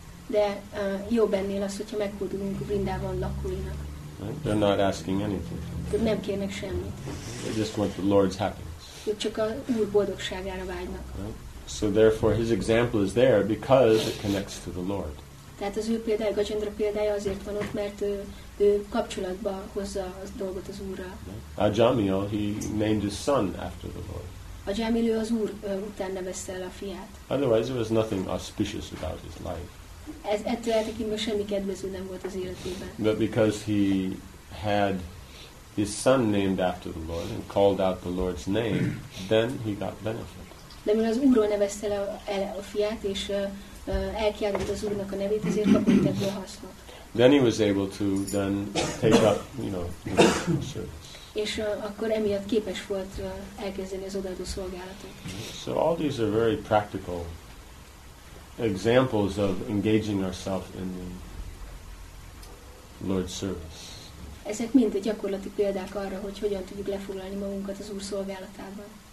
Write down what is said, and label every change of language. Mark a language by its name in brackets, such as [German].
[Hungarian] De jobb ennél az, hogyha megfordulunk Vrindavan lakóinak. [English] Right? They're not asking anything. [Hungarian] Nem kérnek semmit. [English] They just want the Lord's happiness. [Hungarian] Ők csak a Úr boldogságára vágynak. [English] Right? So therefore his example is there because it connects to the Lord. [Hungarian] Tehát az ő példája, Gajendra példája azért van ott, mert ő kapcsolatba hozza a dolgot az Úrra. [English] Right? Ajamil, he named his son after the Lord. [Hungarian] Ajamil az Úr után nevezte el a fiát. [English] Otherwise there was nothing auspicious about his life. [Hungarian] Ez ettől eltekintve semmi kedvező nem volt az életében. [English] But because he had his son named after the Lord and called out the Lord's name, then he got benefit. [Hungarian] De mivel az Úrról nevezte el a fiát, és elkiáltott az Úrnak a nevét, ezért kapott ebből hasznot. [English] Then he was able to then take up, you know, the service. [Hungarian] És akkor emiatt képes volt elkezdeni az odaadó szolgálatot. [English] So all these are very practical examples of engaging ourselves in the Lord's service. [Hungarian] Ezek mind egy gyakorlati példák arra, hogy hogyan tudjuk lefoglalni magunkat az Úr szolgálatában.